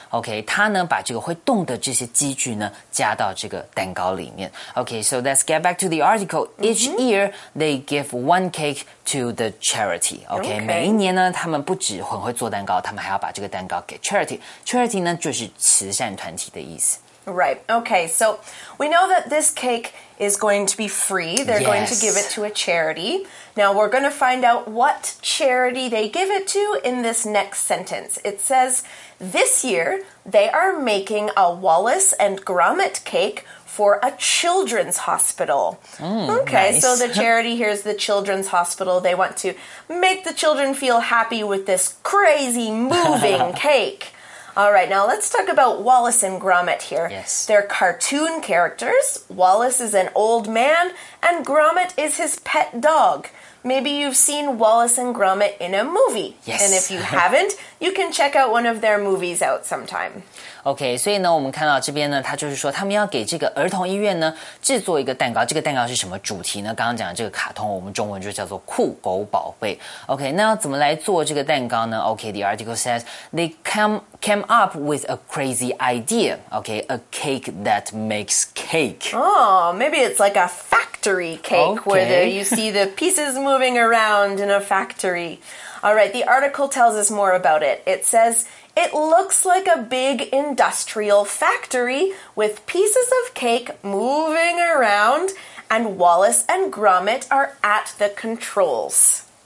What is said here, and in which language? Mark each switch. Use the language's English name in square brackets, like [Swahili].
[Chinese] Okay, 他呢把这个会动的这些机具呢加到这个蛋糕里面。 [English] Okay, so let's get back to the article. Each year, they give one cake to the charity. Okay, 每一年呢他们不只很会做蛋糕，他们还要把这个蛋糕给 charity. Charity 呢就是慈善团体的意思。 Right, okay, so we know that this cake is going to be free. They're、 yes. going to give it to a charity. Now we're going to find out what charity they give it to in this next sentence. It says, this year they are making a Wallace and Gromit cake for a children's hospital.、 Mm, okay,、 nice. So the charity here is the children's hospital. They want to make the children feel happy with this crazy moving cake. All right, now let's talk about Wallace and Gromit here. Yes. They're cartoon characters. Wallace is an old man, And Gromit is his pet dog. Maybe you've seen Wallace and Gromit in a movie. Yes. And if you haven't, you can check out one of their movies out sometime. [Chinese] Okay, 所以呢，我们看到这边呢，他就是说他们要给这个儿童医院呢制作一个蛋糕。这个蛋糕是什么主题呢？刚刚讲的这个卡通，我们中文就叫做酷狗宝贝。 Okay, 那要怎么来做这个蛋糕呢？ [English] Okay, the article says they came up with a crazy idea. Okay, a cake that makes cake. Oh, maybe it's like a factory cake, okay. Where you see the pieces moving around in a factory. All right, the article tells us more about it. It says... It looks like a big industrial factory with pieces of cake moving around, and Wallace and Gromit are at the controls.